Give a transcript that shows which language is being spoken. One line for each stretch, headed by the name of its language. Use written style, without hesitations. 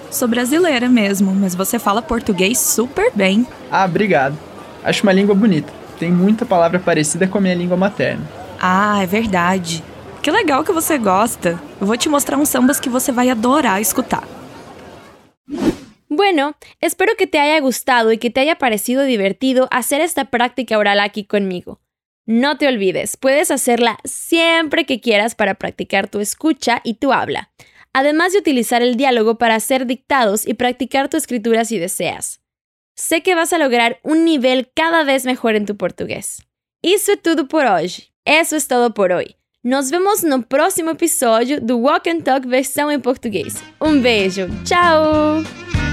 Portuguese: Sou brasileira mesmo, mas você fala português super bem. Ah, obrigado. Acho uma língua bonita. Tem muita palavra parecida com a minha língua materna. Ah, é verdade. Que legal que você gosta. Eu vou te mostrar uns sambas que você vai adorar escutar.
Spanish: Bueno, espero que te haya gustado y que te haya parecido divertido hacer esta práctica oral aquí conmigo. No te olvides, puedes hacerla siempre que quieras para practicar tu escucha y tu habla, además de utilizar el diálogo para hacer dictados y practicar tu escritura si deseas. Sé que vas a lograr un nivel cada vez mejor en tu portugués.
Portuguese: Isso é tudo por hoje.
Spanish: Eso es todo por hoy.
Portuguese: Nos vemos no próximo episodio do Walk and Talk versão em português. Un beijo. Tchau!